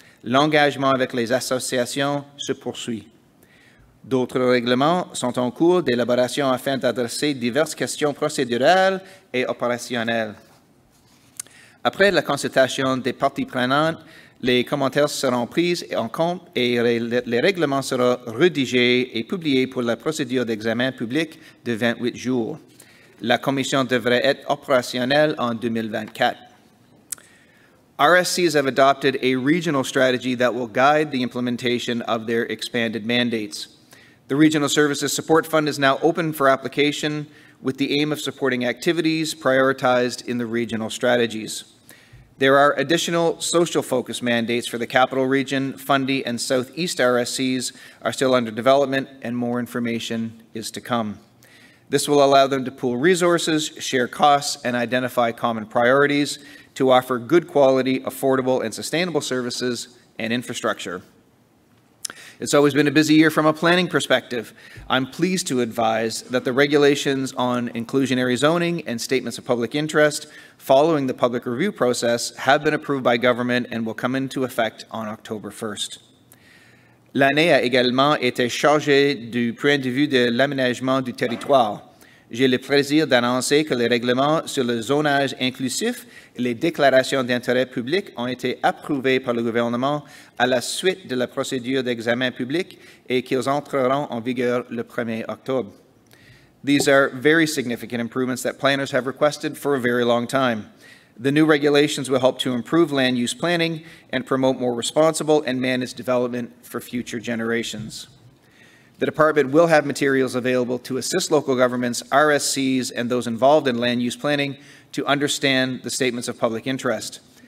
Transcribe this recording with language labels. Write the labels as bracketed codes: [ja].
[fr] L'engagement avec les associations se poursuit. D'autres règlements sont en cours d'élaboration afin d'adresser diverses questions procédurales et opérationnelles. Après la consultation des parties prenantes, les commentaires seront pris en compte et les règlements seront rédigés et publiés pour la procédure d'examen public de 28 jours. La commission devrait être opérationnelle en 2024. [en] RSCs have adopted a regional strategy that will guide the implementation of their expanded mandates. The Regional Services Support Fund is now open for application with the aim of supporting activities prioritized in the regional strategies. There are additional social focus mandates for the Capital Region, Fundy, and Southeast RSCs are still under development and more information is to come. This will allow them to pool resources, share costs, and identify common priorities to offer good quality, affordable, and sustainable services and infrastructure. It's always been a busy year from a planning perspective. I'm pleased to advise that the regulations on inclusionary zoning and statements of public interest following the public review process have been approved by government and will come into effect on October 1st. [fr] L'année a également été chargée du point de vue de l'aménagement du territoire. J'ai le plaisir d'annoncer que les règlements sur le zonage inclusif et les déclarations d'intérêt public ont été approuvés par le gouvernement à la suite de la procédure d'examen public et qu'ils entreront en vigueur le 1er octobre. [en] These are very significant improvements that planners have requested for a very long time. The new regulations will help to improve land use planning and promote more responsible and managed development for future generations. The department will have materials available to assist local governments, RSCs, and those involved in land use planning to understand the statements of public interest.